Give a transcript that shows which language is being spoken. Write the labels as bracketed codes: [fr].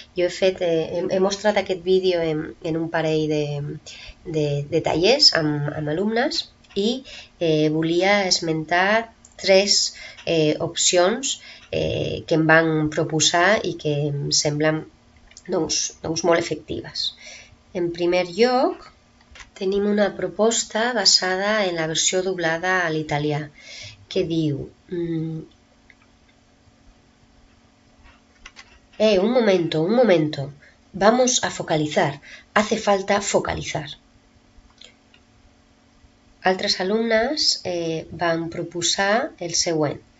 [ca] Jo he fet, he mostrat aquest vídeo en un parell de tallers amb alumnes i volia esmentar tres opcions que em van proposar i que em semblen doncs molt efectives. En primer lloc, tenim una proposta basada en la versió doblada a l'italià, que diu... [es] Un momento, vamos a focalizar, hace falta focalizar. [ca] Altres alumnes van proposar el següent.